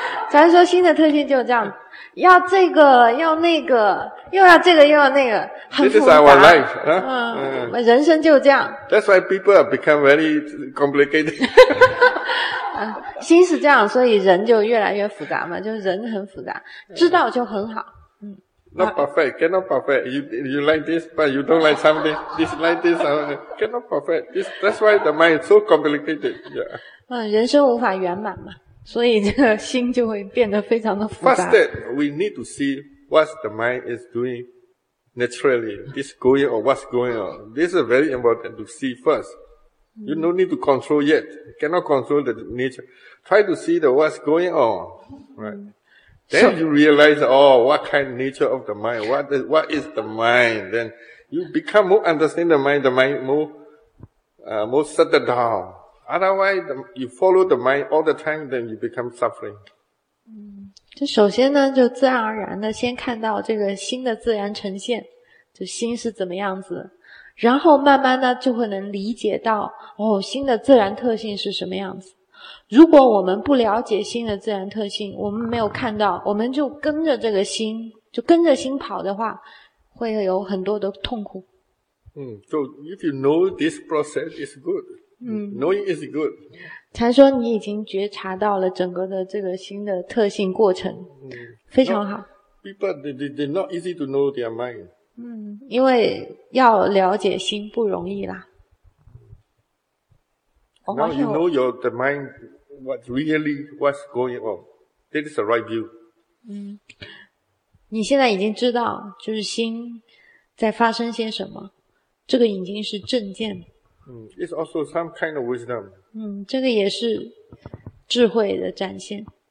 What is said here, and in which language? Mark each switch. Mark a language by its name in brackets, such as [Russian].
[Chinese] 传说心的特性就是这样。要这个，要那个，又要这个，又要那个，很复杂。 [English] This is our life. [Chinese] 人生就这样。 [English] That's why people have become very complicated. [Chinese] 心是这样，所以人就越来越复杂嘛，就是人很复杂，知道就很好。 [English] Not perfect, cannot perfect. You like this, but you don't like something. This like this, cannot perfect. This, that's why the mind is so complicated. Yeah. [Chinese] 人生无法圆满嘛，所以这个心就会变得非常的复杂。 [English] First, we need to see what the mind is doing naturally. This going on, what's going on. This is very important to see first. You no need to control yet. You cannot control the nature. Try to see the what's going on. Right. Then you realize, oh, what kind of nature of the mind? What is the mind? Then you become more understand the mind more settled down. Otherwise, you follow the mind all the time, then you become suffering. [Chinese] 就首先呢，就自然而然的先看到这个心的自然呈现，就心是怎么样子。然后慢慢呢就会能理解到哦，心的自然特性是什么样子。如果我们不了解心的自然特性，我们没有看到，我们就跟着这个心，就跟着心跑的话，会有很多的痛苦。 [English] So if you know this process is good. Knowing is good. [Chinese] 禅说你已经觉察到了整个的这个心的特性过程。非常好。 [English] People, they're not easy to know their mind. [Chinese] 因为要了解心不容易啦。 [English] Now you know your the mind what's really what's going on, That is the right view. [Chinese] 嗯，你现在已经知道，就是心在发生些什么，这个已经是正见。 [English] It's also some kind of wisdom. [Chinese] 嗯，这个也是智慧的展现。